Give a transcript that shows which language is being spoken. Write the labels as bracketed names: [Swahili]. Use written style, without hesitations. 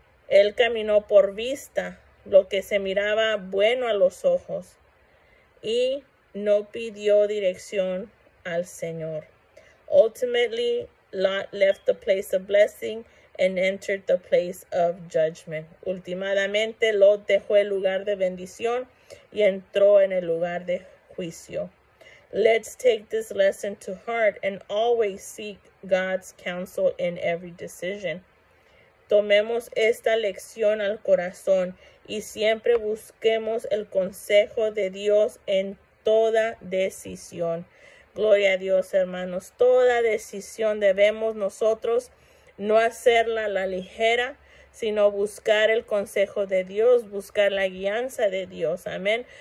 [Spanish] Él caminó por vista, lo que se miraba bueno a los ojos, y no pidió dirección al Señor. [English] Ultimately, Lot left the place of blessing and entered the place of judgment. [Spanish] Ultimadamente, Lot dejó el lugar de bendición y entró en el lugar de juicio. [English] Let's take this lesson to heart and always seek God's counsel in every decision. [Spanish] Tomemos esta lección al corazón y siempre busquemos el consejo de Dios en toda decisión. Gloria a Dios, hermanos. Toda decisión debemos nosotros no hacerla la ligera, sino buscar el consejo de Dios, buscar la guianza de Dios. Amén.